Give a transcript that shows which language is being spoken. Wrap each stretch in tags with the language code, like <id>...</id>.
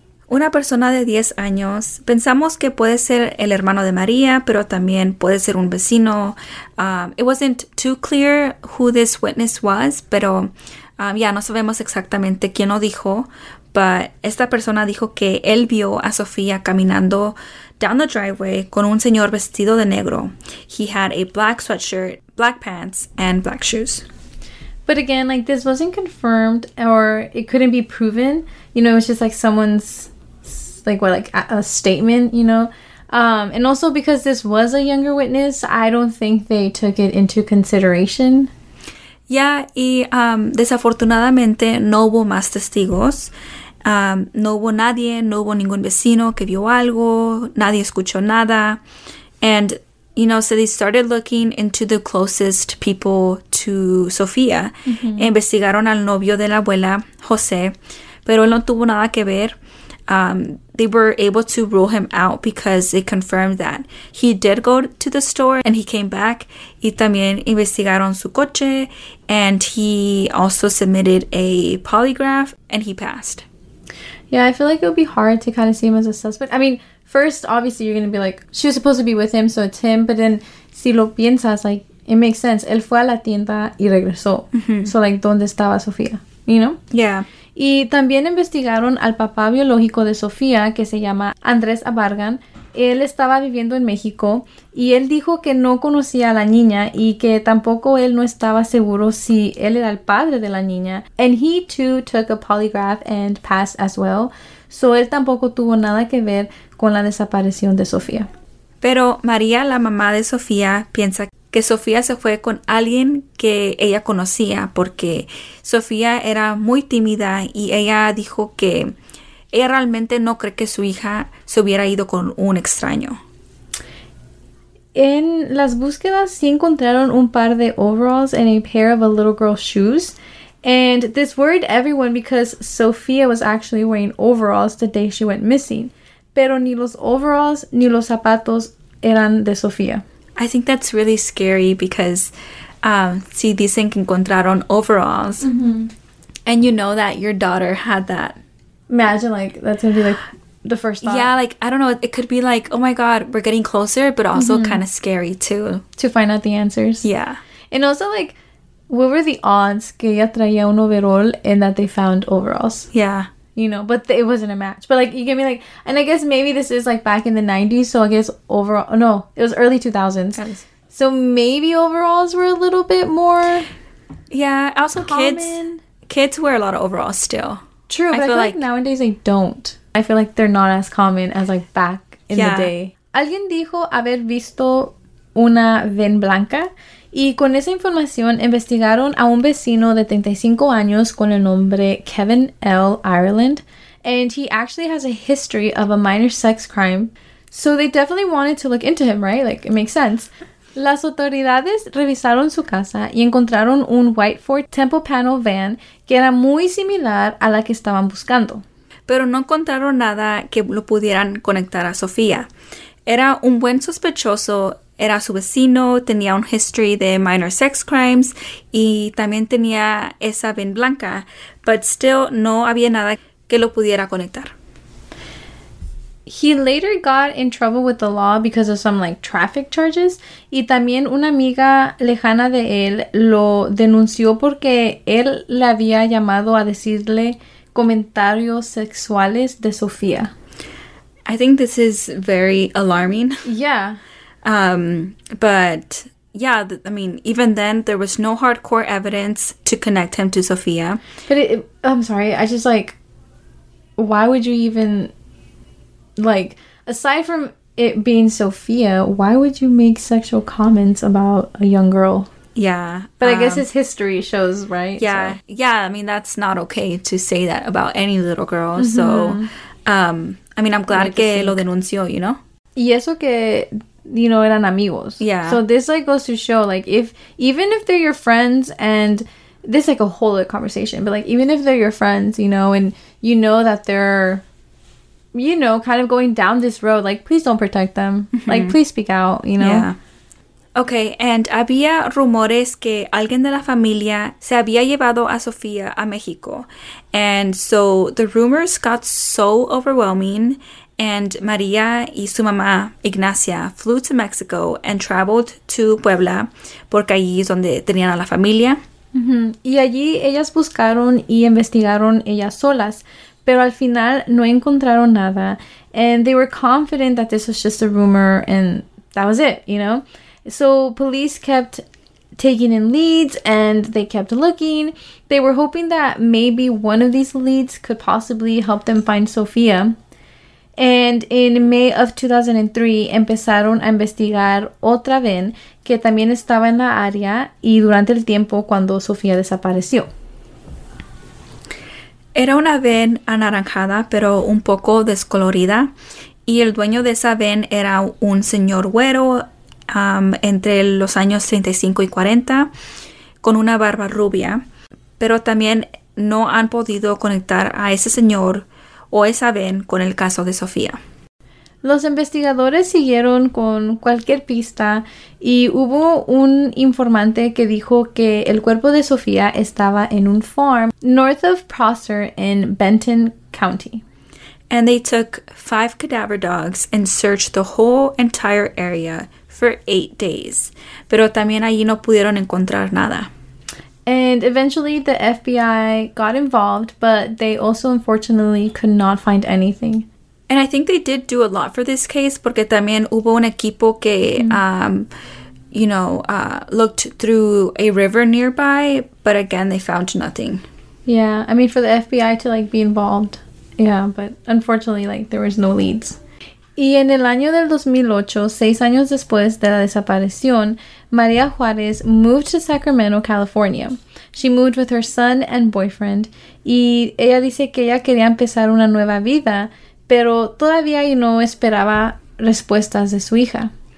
<es>Una persona de 10 años, pensamos que puede ser el hermano de María, pero también puede ser un vecino.</es> <en>It wasn't too clear who this witness was,</en> <es>pero no sabemos exactamente quién lo dijo, but esta persona dijo que él vio a Sofía caminando</es> <en>down the driveway</en> <es>con un señor vestido de negro.</es> <en>He had a black sweatshirt, black pants, and black shoes. But again, like, this wasn't confirmed or it couldn't be proven. You know, it's just like someone's, like, what, like a statement, you know? And also because this was a younger witness, I don't think they took it into consideration.</en> <es>Yeah, y desafortunadamente no hubo más testigos. No hubo nadie, no hubo ningún vecino que vio algo, nadie escuchó nada.</es> <en>And, you know, so they started looking into the closest people to Sofía. Mm-hmm.</en> <es>Investigaron al novio de la abuela, José, pero él no tuvo nada que ver.</es> <en>They were able to rule him out because they confirmed that he did go to the store and he came back.</en> <es>Y también investigaron su coche,</es> <en>and he also submitted a polygraph and he passed. Yeah, I feel like it would be hard to kind of see him as a suspect. I mean, first, obviously, you're going to be like, she was supposed to be with him, so it's him. But then,</en> <es>si lo piensas,</es> <en>like, it makes sense.</en> <es>Él fue a la tienda y regresó. Mm-hmm. So, like, ¿dónde estaba Sofía?</es> <en>You know? Yeah.</en> <es>Y también investigaron al papá biológico de Sofía, que se llama Andrés Abargan. Él estaba viviendo en México y él dijo que no conocía a la niña y que tampoco él no estaba seguro si él era el padre de la niña.</es> <en>And he too took a polygraph and passed as well.</en> <es>So él tampoco tuvo nada que ver con la desaparición de Sofía. Pero María, la mamá de Sofía, piensa que Sofía se fue con alguien que ella conocía, porque Sofía era muy tímida y ella dijo que ella realmente no cree que su hija se hubiera ido con un extraño. En las búsquedas sí encontraron un par de overalls</es> <en>and a pair of a little girl's shoes. And this worried everyone because Sofía was actually wearing overalls the day she went missing.</en> <es>Pero ni los overalls ni los zapatos eran de Sofía.</es> <en>I think that's really scary because</en> <es>si dicen que encontraron overalls, mm-hmm.</es> <en>and you know that your daughter had that. Imagine, like, that's going to be, like, the first thought. Yeah, like, I don't know. It could be like, oh, my God, we're getting closer, but also mm-hmm. kind of scary, too. To find out the answers. Yeah. And also, like, what were the odds</en> <es>que ella traía un overall</es> <en>and that they found overalls? Yeah. You know, but it wasn't a match. But, like, you get me, like, and I guess maybe this is, like, back in the 90s. So, I guess overall, no, it was early 2000s. Yes. So, maybe overalls were a little bit more also common. Kids wear a lot of overalls still. True, but I feel like nowadays they don't. I feel like they're not as common as, like, back in the day.</en> <es>Alguien dijo haber visto una ven blanca. Y con esa información, investigaron a un vecino de 35 años con el nombre Kevin L. Ireland.</es> <en>And he actually has a history of a minor sex crime. So they definitely wanted to look into him, right? Like, it makes sense.</en> <es>Las autoridades revisaron su casa y encontraron un</es> <en>white Ford temple panel van</en> <es>que era muy similar a la que estaban buscando. Pero no encontraron nada que lo pudieran conectar a Sofía. Era un buen sospechoso. Era su vecino, tenía un history de</es> <en>minor sex crimes</en> <es>y también tenía esa ven blanca,</es> <en>but still</en> <es>no había nada que lo pudiera conectar.</es> <en>He later got in trouble with the law because of some, like, traffic charges.</en> <es>Y también una amiga lejana de él lo denunció porque él le había llamado a decirle comentarios sexuales de Sofía.</es> <en>I think this is very alarming. Yeah. But, yeah, I mean, even then, there was no hardcore evidence to connect him to Sofía. But why would you even... Like, aside from it being Sofía, why would you make sexual comments about a young girl? Yeah. But I guess his history shows, right? Yeah. So. Yeah, I mean, that's not okay to say that about any little girl. Mm-hmm. So, I mean, I'm glad</en> <es>que lo denunció,</es> <en>you know?</en> <es>Y eso que, you know, eran amigos.</es> <en>Yeah. So this, like, goes to show, like, if, even if they're your friends and... This is, like, a whole other conversation. But, like, even if they're your friends, you know, and you know that they're... You know, kind of going down this road, like, please don't protect them. Mm-hmm. Like, please speak out, you know? Yeah.</en> <es>Okay, and había rumores que alguien de la familia se había llevado a Sofía a México.</es> <en>And so the rumors got so overwhelming, and María</en> <es>y su mamá,</es> <en>Ignacia, flew to Mexico and traveled to Puebla,</en> <es>porque allí es donde tenían a la familia. Mm-hmm. Y allí ellas buscaron y investigaron ellas solas. Pero al final no encontraron nada.</es> <en>And they were confident that this was just a rumor and that was it, you know? So police kept taking in leads and they kept looking. They were hoping that maybe one of these leads could possibly help them find Sofía. And in May of 2003,</en> <es>empezaron a investigar otra vez que también estaba en la área y durante el tiempo cuando Sofía desapareció. Era una van anaranjada, pero un poco descolorida. Y el dueño de esa van era un señor güero, entre los años 35 y 40, con una barba rubia. Pero también no han podido conectar a ese señor o esa van con el caso de Sofía. Los investigadores siguieron con cualquier pista y hubo un informante que dijo que el cuerpo de Sofía estaba en un</es> <en>farm north of Prosser in Benton County. And they took 5 cadaver dogs and searched the whole entire area for 8 days.</en> <es>Pero también allí no pudieron encontrar nada.</es> <en>And eventually the FBI got involved, but they also unfortunately could not find anything. And I think they did do a lot for this case,</en> <es>porque también hubo un equipo que,</es> <en>looked through a river nearby, but again, they found nothing. Yeah, I mean, for the FBI to, like, be involved. Yeah, but unfortunately, like, there was no leads.</en> <es>Y en el año del 2008, 6 años después de la desaparición, María Juárez</es> <en>moved to Sacramento, California. She moved with her son and boyfriend,</en> <es>y ella dice que ella quería empezar una nueva vida, pero todavía no esperaba respuestas de su hija.</es>